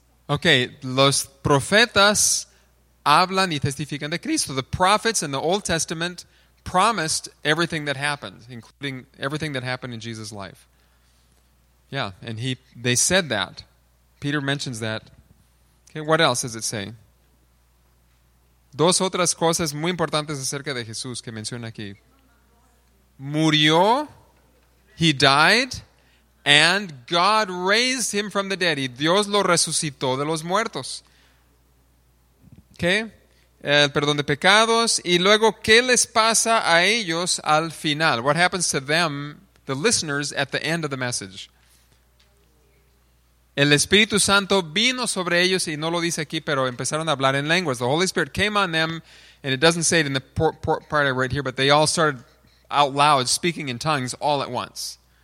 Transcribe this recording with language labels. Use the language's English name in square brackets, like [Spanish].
[Spanish] Okay, los profetas hablan y testifican de Cristo. [English] The prophets in the Old Testament promised everything that happened, including everything that happened in Jesus' life. Yeah, and they said that. Peter mentions that. Okay, what else does it say? [Spanish] Dos otras cosas muy importantes acerca de Jesús que menciona aquí. Murió, [English] he died. And God raised him from the dead. [Spanish] Y Dios lo resucitó de los muertos. ¿Qué? El perdón de pecados. Y luego, ¿qué les pasa a ellos al final? [English] What happens to them, the listeners, at the end of the message? [Spanish] El Espíritu Santo vino sobre ellos, y no lo dice aquí, pero empezaron a hablar en lenguas. [English] The Holy Spirit came on them, and it doesn't say it in the part right here, but they all started out loud speaking in tongues all at once.